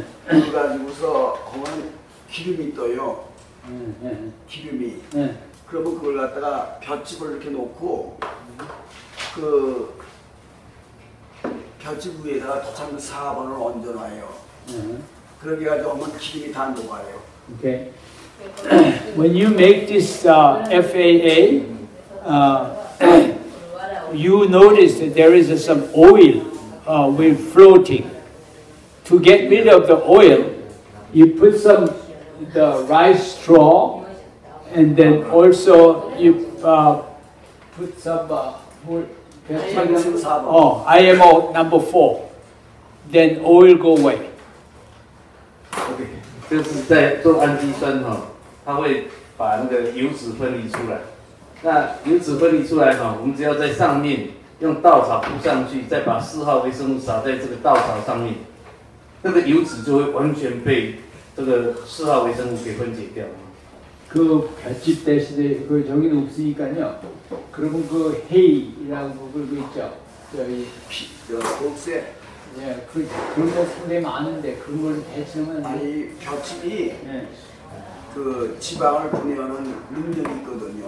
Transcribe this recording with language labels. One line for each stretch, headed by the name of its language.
Korean: 그래가지고서 거기 기름이 떠요. 기름이. 그러면 그걸 갖다가 볏짚을 이렇게 놓고 그 볏짚 위에다가 도장 4번을 얹어놔요. 그렇게 해서 오면 기름이 다 녹아요.
English: Okay. When you make this FAA, you notice that there is some oil with floating. To get rid of the oil, you put some the rice straw, and then also you put some IMO number 4. Then oil go away. Okay.
Chinese: 就是在做氨基酸哦, 它会把那个油脂分离出来。那油脂分离出来哦, 我们只要在上面, 用稻草铺上去, 再把4号微生物撒在这个稻草上面, 那个油脂就会完全被这个4号微生物给分解掉。
Korean: 그 볏짚 대신에 그 정의는 없으니까요. 그러면 그 헤이라는 부분 있죠. 저희 피, 곡새. 예, 그 그런 거 상당히 많은데 그런 걸 대체하면 아니 볏짚이 예. 그 지방을 분해하는 능력이 있거든요.